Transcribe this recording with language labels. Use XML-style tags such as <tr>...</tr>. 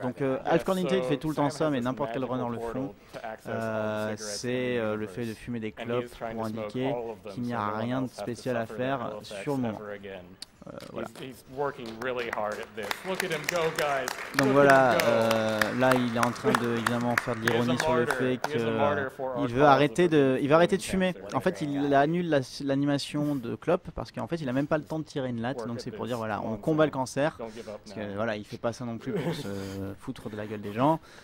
<fr>Donc Half-Con Intel fait tout le temps ça, mais n'importe quel runner le font. C'est le fait de fumer des clopes pour indiquer qu'il n'y a rien de spécial à faire sur le moment. voilà.</fr> <en>He's working really hard at this. Look at him go, guys.</en> <fr>Donc voilà, là il est en train de évidemment faire de l'ironie sur le fait qu'il veut arrêter de, il va arrêter de fumer. En fait, il annule l'animation de Klopp parce qu'en fait, il a même pas le temps de tirer une latte. Donc c'est pour dire voilà, on combat le cancer. Parce que voilà, il fait pas ça non plus pour se foutre de la gueule des gens.</fr>